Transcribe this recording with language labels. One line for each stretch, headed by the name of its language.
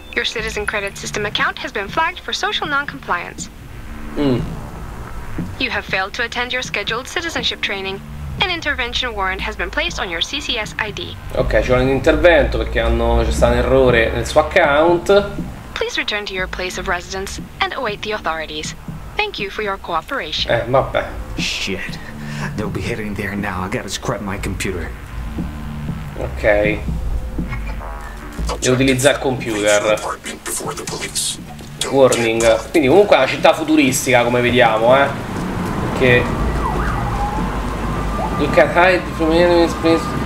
English: Your citizen credit system account has been flagged for social non-compliance. You have failed to attend your scheduled citizenship training. An intervention warrant has been placed on your CCS ID.
Italian: Ok, ci vuole un intervento perché hanno, c'è stato un errore nel suo account.
English: Please return to your place of residence and await the authorities. Thank you for your cooperation.
Italian: Vabbè.
English: Shit. They'll be heading there now. I gotta scrub my computer. Ok.
Italian: Devo utilizzare il computer.
English: Warning.
Italian: Quindi comunque è una città futuristica, come vediamo, Perché...
English: You can hide from enemies, please.